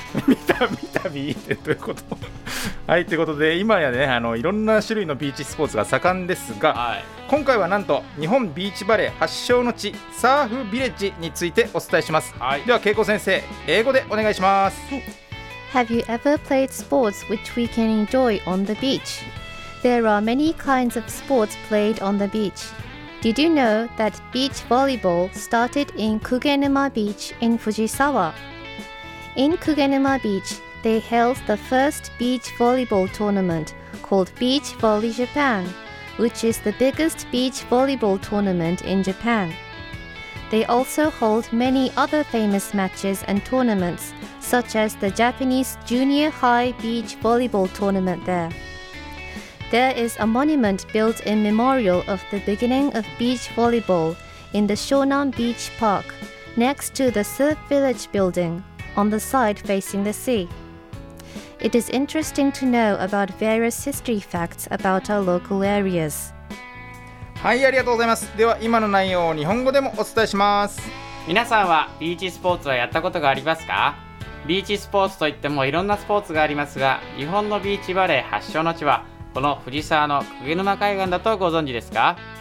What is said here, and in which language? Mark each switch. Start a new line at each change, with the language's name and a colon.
Japanese: 見たびってどういうこと。はい、ということで今やね、いろんな種類のビーチスポーツが盛んですが、はい、今回はなんと日本ビーチバレー発祥の地サーフビレッジについてお伝えします。はい、では恵子先生、英語でお願いします。
English: Have you ever played sports which we can enjoy on the beach? There are many kinds of sports played on the beach. Did you know that beach volleyball started in Kugenuma Beach in Fujisawa? In Kugenuma Beach, they held the first beach volleyball tournament called Beach Volley Japan, which is the biggest beach volleyball tournament in Japan. They also hold many other famous matches and tournaments,such as the Japanese Junior High Beach Volleyball Tournament there. There is a monument built in memorial of the beginning of beach volleyball in the Shonan Beach Park, next to the Surf Village building, on the side facing the sea. It is interesting to know about various history facts about our local areas.
Japanese: はい、ありがとうございます。では今の内容を日本語でもお伝えします。皆さんはビーチスポーツはやったことがありますか？ビーチスポーツといってもいろんなスポーツがありますが、日本のビーチバレー発祥の地はこの藤沢の鵠沼海岸だとご存知ですか？